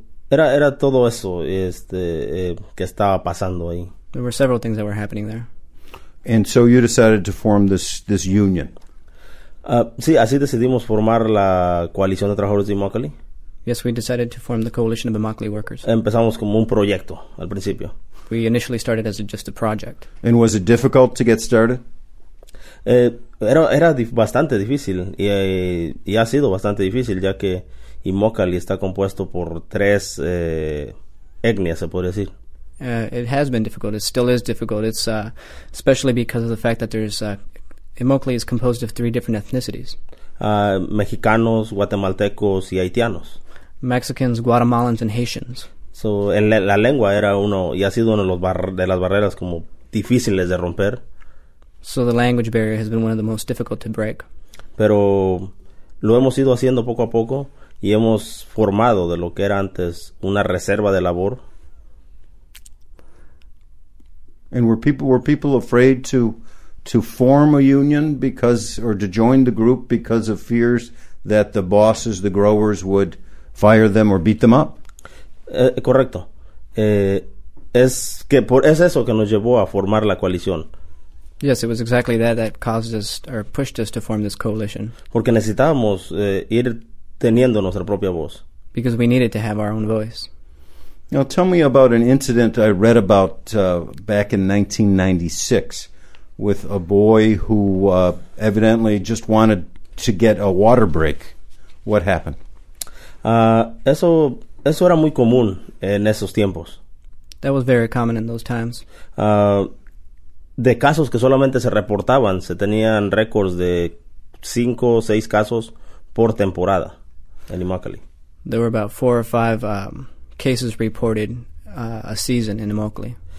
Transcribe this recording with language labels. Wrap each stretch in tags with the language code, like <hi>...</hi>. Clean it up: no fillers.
<es>Era todo eso que estaba pasando ahí.</es> <en>There were several things that were happening there. And so you decided to form this union.</en> <es>Sí, así decidimos formar la coalición de trabajadores de Immokalee.</es> <en>Yes, we decided to form the Coalition of Immokalee Workers.</en> <es>Empezamos como un proyecto al principio.</es> <en>We initially started as just a project. And was it difficult to get started?</en> <es>Era bastante difícil y ha sido bastante difícil ya que Immokalee está compuesto por tres etnias, se podría decir.</es> <en>It has been difficult. It still is difficult. It's especially because of the fact that there's Immokalee is composed of three different ethnicities.</en> <es>Mexicanos, guatemaltecos y haitianos.</es> <en>Mexicans, Guatemalans, and Haitians.</en> <es>So, la lengua era uno, y ha sido uno de las barreras como difíciles de romper.</es> <en>So, the language barrier has been one of the most difficult to break.</en> <es>Pero lo hemos ido haciendo poco a poco, y hemos formado de lo que era antes una reserva de labor.</es> <en>And were people afraid to form a union because, or to join the group because of fears that the bosses, the growers, would fire them or beat them up?</en> <es>Correcto. Es eso que nos llevó a formar la coalición.</es> <en>Yes, it was exactly that caused us or pushed us to form this coalition.</en> <es>Porque necesitábamos ir teniendo nuestra propia voz.</es> <en>Because we needed to have our own voice. Now tell me about an incident I read about back in 1996 with a boy who evidently just wanted to get a water break. What happened?</en> <es>Eso era muy común en esos tiempos.</es> <en>That was very common in those times.</en> <es>De casos que solamente se reportaban, se tenían récords de 5 o 6 casos por temporada en Immokalee.</es> <en>There were about 4 or 5 cases reported a season in Immokalee.</en>